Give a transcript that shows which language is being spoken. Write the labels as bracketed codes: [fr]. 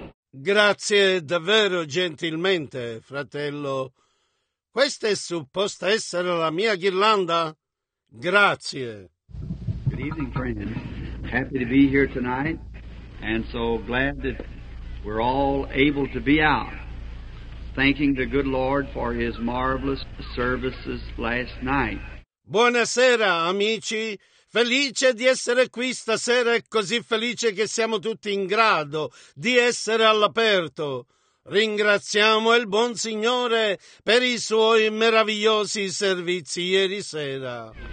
[it] Grazie davvero gentilmente, fratello. Questa è supposta essere la mia ghirlanda. Grazie. [en] Good evening, friend. Happy to be here tonight, and so glad that we're all able to be out, thanking the good Lord for His marvelous services last night. [it] Buonasera, amici. Felice di essere qui stasera e così felice che siamo tutti in grado di essere all'aperto. Ringraziamo il buon Signore per i suoi meravigliosi servizi ieri sera.